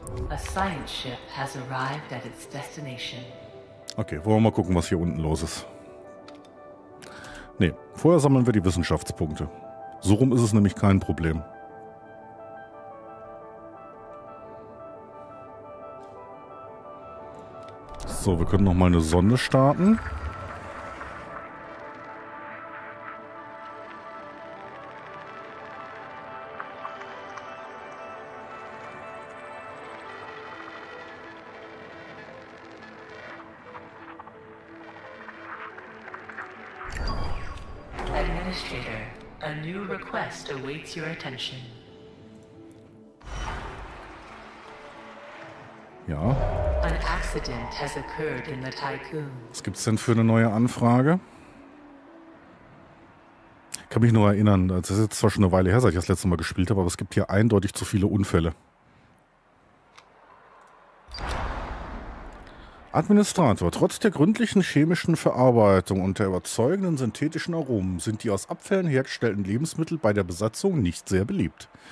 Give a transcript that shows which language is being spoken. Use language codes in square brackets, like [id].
[en] A science ship has arrived at its destination. [de] Okay, wollen wir mal gucken, was hier unten los ist. Ne, vorher sammeln wir die Wissenschaftspunkte. So rum ist es nämlich kein Problem. So, wir können noch mal eine Sonde starten. [en] Administrator, a new request awaits your attention. [de] Ja. [en] An accident has occurred in the Tycoon. [de] Was gibt's denn für eine neue Anfrage? Ich kann mich nur erinnern, das ist jetzt zwar schon eine Weile her, seit ich das letzte Mal gespielt habe, aber es gibt hier eindeutig zu viele Unfälle. Administrator, trotz der gründlichen chemischen Verarbeitung und der überzeugenden synthetischen Aromen sind die aus Abfällen hergestellten Lebensmittel bei der Besatzung nicht sehr beliebt.